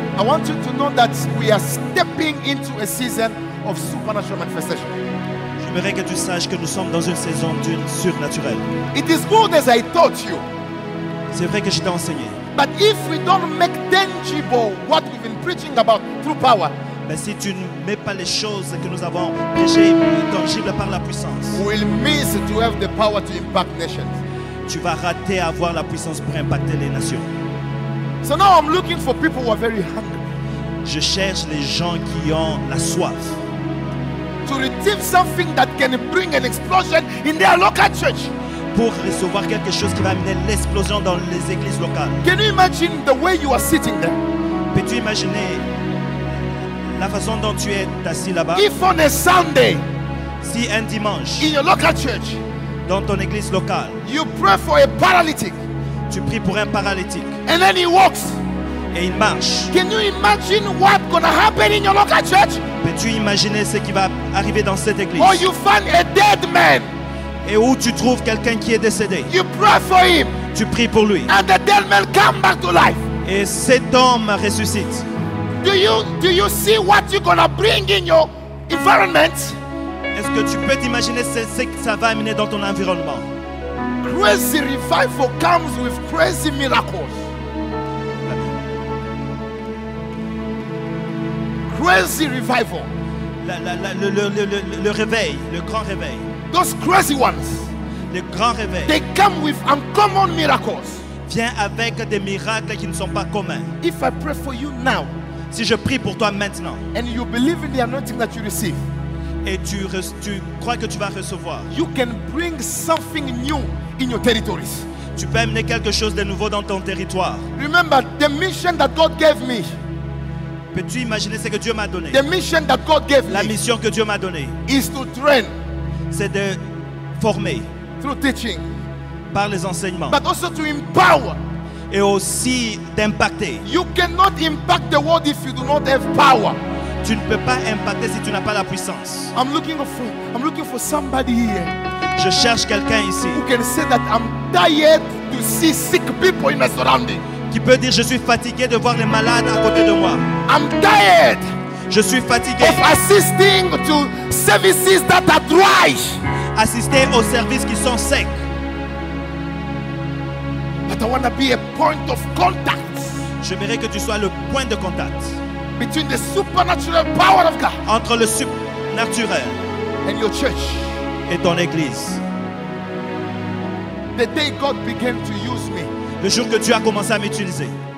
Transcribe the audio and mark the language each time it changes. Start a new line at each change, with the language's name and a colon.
English: I want you to know that we are stepping into a season of supernatural manifestation.
French: J'aimerais que tu saches que nous sommes dans une saison d'une surnaturelle.
English: It is good as I taught you.
French: C'est vrai que je t'ai enseigné.
English: But if we don't make tangible what we've been preaching about through power,
French: mais si tu ne mets pas les choses que nous avons déjà tangibles par la puissance,
English: we'll miss to have the power to impact nations.
French: Tu vas rater avoir la puissance pour impacter les nations.
English: So now I'm looking for people who are very hungry.
French: Je cherche les gens qui ont la soif.
English: To receive something that can bring an explosion in their local church.
French: Pour recevoir quelque chose qui va amener l'explosion dans les églises locales.
English: Can you imagine the way you are sitting there?
French: Peux-tu imaginer la façon dont tu es assis là-bas?
English: If on a Sunday,
French: si un dimanche,
English: in your local church,
French: dans ton église locale,
English: you pray for a paralytic,
French: tu pries pour un paralytique,
English: and then he walks,
French: et il marche.
English: Can you imagine what's gonna happen in your local church?
French: Peux-tu imaginer ce qui va arriver dans cette église?
English: Or you find a dead man.
French: Et où tu trouves quelqu'un qui est décédé?
English: You pray for him.
French: Tu pries pour lui.
English: And the dead man come back to life.
French: Et cet homme ressuscite.
English: Do you see what you're gonna bring in your environment?
French: Est-ce que tu peux t'imaginer ce que ça va amener dans ton environnement?
English: Crazy revival comes with crazy miracles. Crazy revival.
French: Le réveil, le grand réveil.
English: Those crazy ones,
French: les grands réveils,
English: they come with uncommon miracles.
French: Vient avec des miracles qui ne sont pas communs.
English: If I pray for you now,
French: si je prie pour toi maintenant,
English: and you believe in the anointing that you receive,
French: et tu crois que tu vas recevoir,
English: you can bring something new in your territories.
French: Tu peux amener quelque chose de nouveau dans ton territoire.
English: Remember the mission that God gave me.
French: Peux-tu imaginer ce que Dieu m'a donné?
English: The mission that God gave me.
French: La mission que Dieu m'a donnée
English: is to train.
French: C'est de former
English: through teaching,
French: par les enseignements,
English: but also to empower,
French: et aussi d'impacter.
English: You cannot impact the world if you do not have power.
French: Tu ne peux pas impacter si tu n'as pas la puissance.
English: I'm looking for somebody here.
French: Je cherche quelqu'un ici
English: who can say that I'm tired to see sick people in my surrounding.
French: Qui peut dire je suis fatigué de voir les malades à côté de moi.
English: I'm tired.
French: Je suis fatigué.
English: Of assisting to services that are dry.
French: Assister aux services qui sont secs.
English: But I want to be a point of contact.
French: J'aimerais que tu sois le point de contact.
English: Between the supernatural power of God.
French: Entre le surnaturel.
English: And your church.
French: Et ton église.
English: The day God began to use me.
French: Le jour que Dieu a commencé à m'utiliser.